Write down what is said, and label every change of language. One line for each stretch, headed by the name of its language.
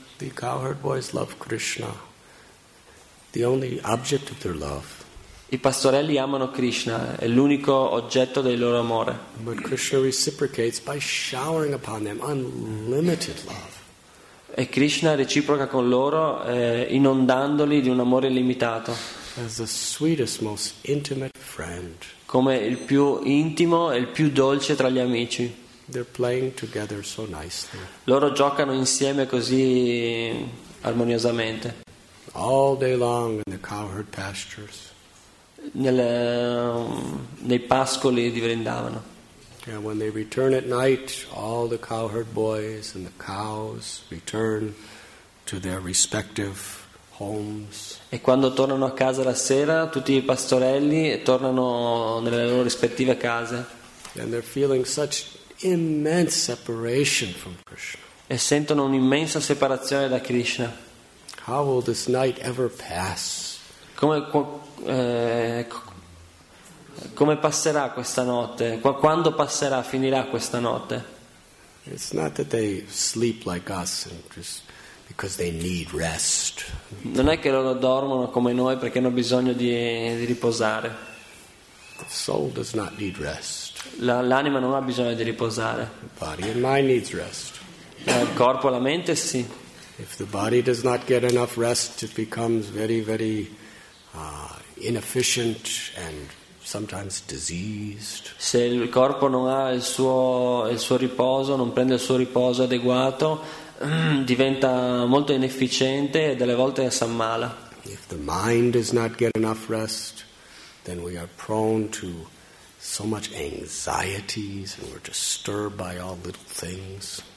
English: The cowherd boys love Krishna, the only object of their love.
Italian: I pastorelli amano Krishna, è l'unico oggetto del loro amore.
English: But Krishna reciprocates by showering upon them unlimited love.
Italian: E Krishna reciproca con loro inondandoli di un amore illimitato.
English: As the sweetest, most intimate friend.
Italian: Come il più intimo e il più dolce tra gli amici.
English: They're playing together so nicely.
Italian: Loro giocano insieme così armoniosamente.
English: All day long in the cowherd pastures.
Italian: Nei pascoli di Vrindavana.
English: And when they return at night, all the cowherd boys and the cows return to their respective homes.
Italian: E quando tornano a casa la sera, tutti i pastorelli tornano nelle loro rispettive case.
English: And they're feeling such immense separation from Krishna.
Italian: E sentono un'immensa separazione da Krishna.
English: How will this night ever pass?
Italian: Come passerà questa notte? Quando passerà, finirà questa notte?
English: It's not that they sleep like us and just because they need rest.
Italian: Non è che loro dormono come noi perché hanno bisogno di riposare.
English: The soul does not need rest.
Italian: L'anima non ha bisogno di riposare.
English: The body and mind needs rest.
Italian: Il corpo e la mente sì.
English: If the body does not get enough rest, it becomes very, very inefficient and sometimes diseased.
Italian: Se il corpo non ha il suo riposo, non prende il suo riposo adeguato, diventa molto inefficiente e delle volte si ammala.
English: If the mind does not get enough rest, then we are prone to so much anxieties and we're disturbed by all little things.